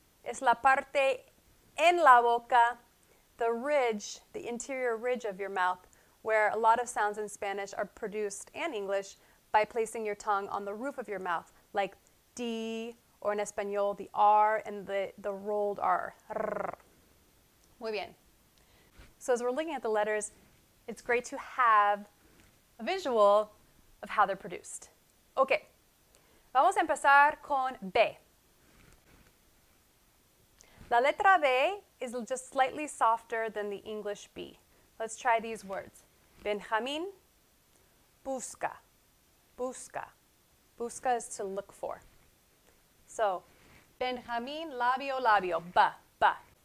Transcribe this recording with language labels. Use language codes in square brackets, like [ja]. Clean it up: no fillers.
[es] Es la parte en la boca, [en] the ridge, the interior ridge of your mouth, where a lot of sounds in Spanish are produced, and English, by placing your tongue on the roof of your mouth, like D, or in Espanol, the R and the rolled R. [es] Muy bien. [en] So as we're looking at the letters, it's great to have a visual of how they're produced. [es] Okay, vamos a empezar con B. La letra B [en] is just slightly softer than the English B. Let's try these words. Benjamin, busca, busca. Busca is to look for. So, Benjamin, labio, labio, ba, ba.